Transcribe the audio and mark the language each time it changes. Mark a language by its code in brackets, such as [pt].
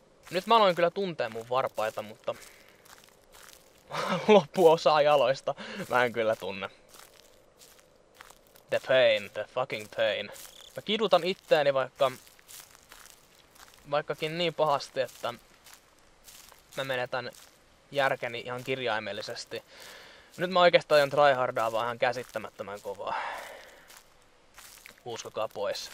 [fi] Nyt mä aloin kyllä tuntea mun varpaita, mutta loppuosaa jaloista mä en kyllä tunne. [en] The pain, the fucking pain. [fi] Mä kidutan itteeni vaikkakin niin pahasti, että mä menetän järkeni ihan kirjaimellisesti. Nyt mä oikeastaan ajan tryhardaa vaan ihan käsittämättömän kovaa. Uskokaa pois.